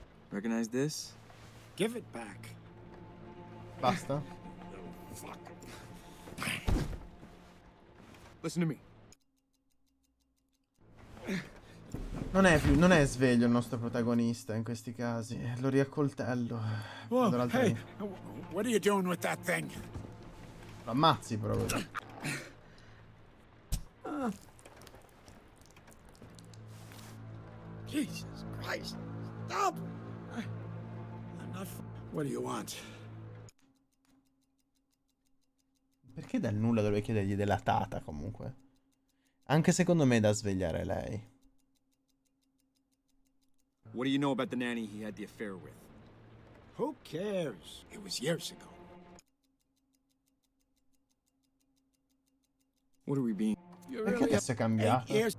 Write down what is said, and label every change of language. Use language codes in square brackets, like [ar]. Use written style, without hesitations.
[en] Recognize this? Give it back. [it] Basta. [en] Fuck. Listen to me. [it] Non è sveglio il nostro protagonista in questi casi. Lo riaccoltello. [en] Whoa, hey, what are you doing with that thing? [it] Lo ammazzi proprio. [en] Jesus Christ, stop! What do you want? [it] Perché dal nulla dovrei chiedergli della tata comunque? Anche secondo me è da svegliare lei. [en] What do you know about the nanny he had the affair with? Who cares? It was years ago. What are we being? [it] Perché adesso è cambiato?